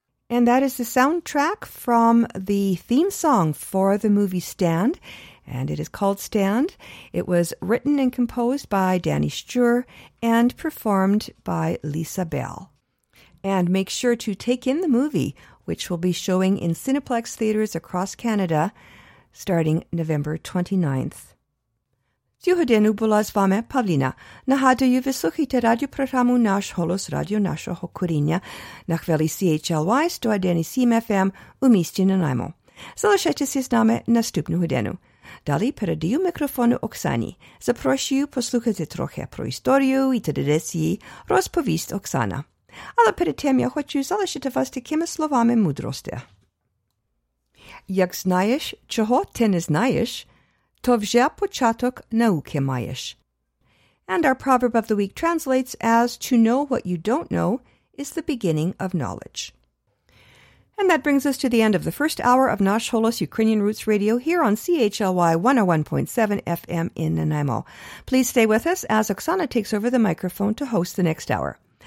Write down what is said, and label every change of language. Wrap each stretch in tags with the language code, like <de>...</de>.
<en>And that is the soundtrack from the theme song for the movie Stand, and it is called Stand. It was written and composed by Danny Stuhr and performed by Lisa Bell. And make sure to take in the movie, which will be showing in Cineplex theaters across Canada starting November 29th.</en> <uk>Сьогодні була з вами Павліна. Нагадую, ви слухаєте радіопрограму «Наш голос» радіо нашого коріння на хвилі CHLY 101.7 FM у місті Нанаймо. Залишайтеся з нами наступну годину. Далі передаю мікрофону Оксані. Запрошую послухати трохи про історію і традиції, розповість Оксана. Але перед тим я хочу залишити вас такими словами мудрості. Як знаєш, чого ти не знаєш – то вже початок науки маєш.</uk> <en>And our proverb of the week translates as, to know what you don't know is the beginning of knowledge. And that brings us to the end of the first hour of Nash Holos Ukrainian Roots Radio here on CHLY 101.7 FM in Nanaimo. Please stay with us as Oksana takes over the microphone to host the next hour.</en>